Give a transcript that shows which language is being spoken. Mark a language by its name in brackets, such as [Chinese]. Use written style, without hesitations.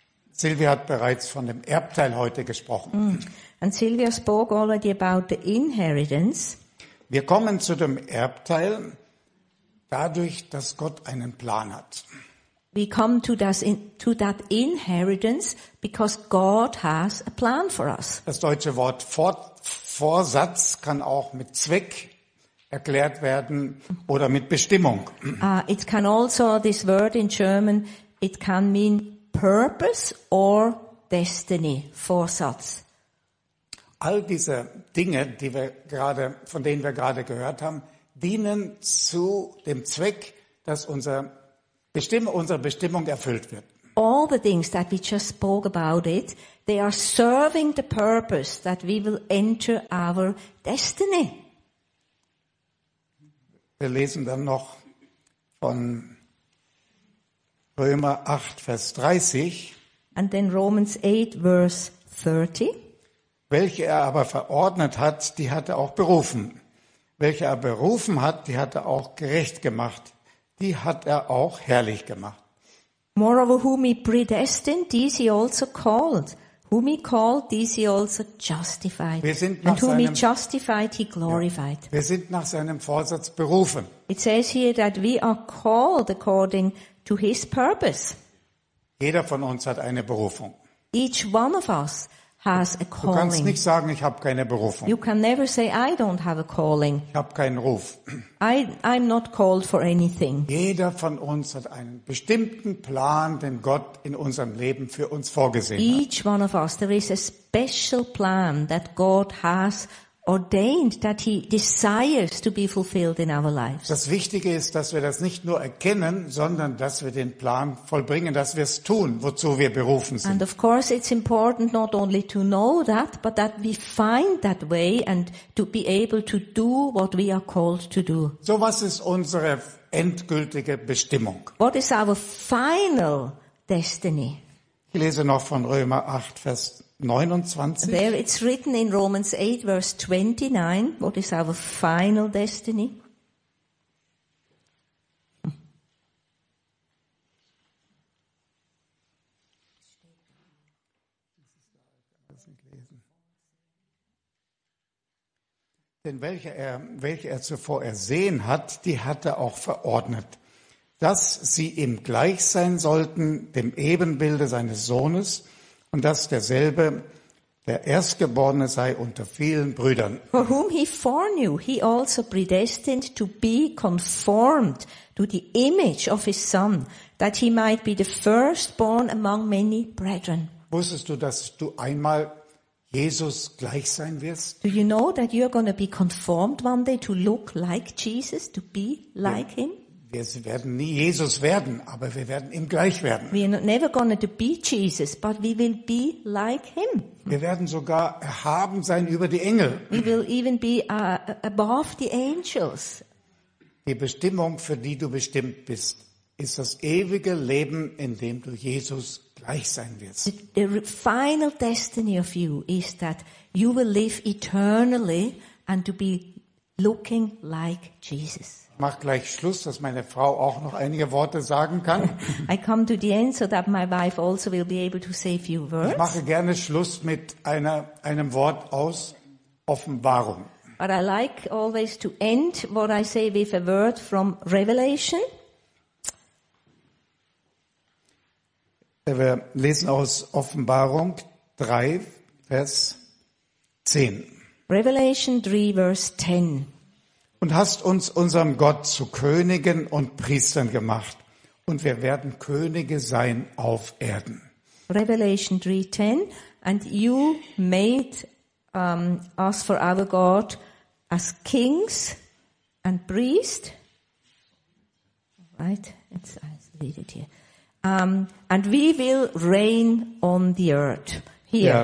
[German] Sylvia hat bereits von dem Erbteil heute gesprochen. [English] And Sylvia spoke already about the inheritance. [German] Wir kommen zu dem Erbteil dadurch, dass Gott einen Plan hat. [English] We come to that inheritance because God has a plan for us. [German] Das deutsche Wort Vorsatz kann auch mit Zweck erklärt werden oder mit Bestimmung. [English] It can also, this word in German, it can mean purpose or destiny, Vorsatz. [German] All diese Dinge, von denen wir gerade gehört haben, dienen zu dem Zweck, dass unsere Bestimmung erfüllt wird. [English] All the things that we just spoke about it, they are serving the purpose that we will enter our destiny. [German] Wir lesen dann noch von Römer 8, Vers 30. [English] And then Romans 8, Vers 30. [German] Welche er aber verordnet hat, die hat er auch berufen. Welche er berufen hat, die hat er auch gerecht gemacht. Die hat er auch herrlich gemacht. [English] Moreover, whom he predestined, these he also called. Whom he called, these he also justified. [German] Wir sind nach seinem Vorsatz berufen. [English] It says here that we are called according to his purpose. [German] Jeder von uns hat eine Berufung. [English] Each one of us has a calling. [German] Du kannst nicht sagen, ich habe keine Berufung. [English] You can never say, I don't have a calling. [German] Ich habe keinen Ruf. [English] I'm not called for anything. [German] Jeder von uns hat einen bestimmten Plan, den Gott in unserem Leben für uns vorgesehen [English] Each [German] hat. [English] Each one of us, there is a special plan that God has ordained, that he desires to be fulfilled in our lives. [German] Das Wichtige ist, dass wir das nicht nur erkennen, sondern dass wir den Plan vollbringen, dass wir es tun, wozu wir berufen sind. [English] And of course it's important not only to know that, but that we find that way and to be able to do what we are called to do. [German] So, was ist unsere endgültige Bestimmung? [English] What is our final destiny? [German] Ich lese noch von Römer 8, Vers 29. [English] There it's written in Romans 8, verse 29, what is our final destiny? [German] Denn welche er zuvor ersehen hat, die hat er auch verordnet, dass sie ihm gleich sein sollten, dem Ebenbilde seines Sohnes, und dass derselbe der Erstgeborene sei unter vielen Brüdern. [English] For whom he foreknew, he also predestined to be conformed to the image of his son, that he might be the firstborn among many brethren. [German] Wusstest du, dass du einmal Jesus gleich sein wirst? [English] Do you know that you are going to be conformed one day to look like Jesus, to be like him? [German] Wir werden nie Jesus werden, aber wir werden ihm gleich werden. [English] We are never going to be Jesus, but we will be like him. [German] Wir werden sogar erhaben sein über die Engel. [English] We will even be above the angels. [German] Die Bestimmung, für die du bestimmt bist, ist das ewige Leben, in dem du Jesus gleich sein wirst. [English] The final destiny of you is that you will live eternally and to be looking like Jesus. [German] Ich mache gleich Schluss, dass meine Frau auch noch einige Worte sagen kann. [English] I come to the end so that my wife also will be able to say a few words. [German] Ich mache gerne Schluss mit einem Wort aus Offenbarung. [English] But I like always to end what I say with a word from Revelation. [German] Wir lesen aus Offenbarung 3, Vers 10. [English] Revelation 3, Verse 10. [German] Und hast uns unserem Gott zu Königen und Priestern gemacht, und wir werden Könige sein auf Erden. [English] Revelation 3:10, and you made us for our God as kings and priests. Right, let's read it here. And we will reign on the earth. Here, yeah.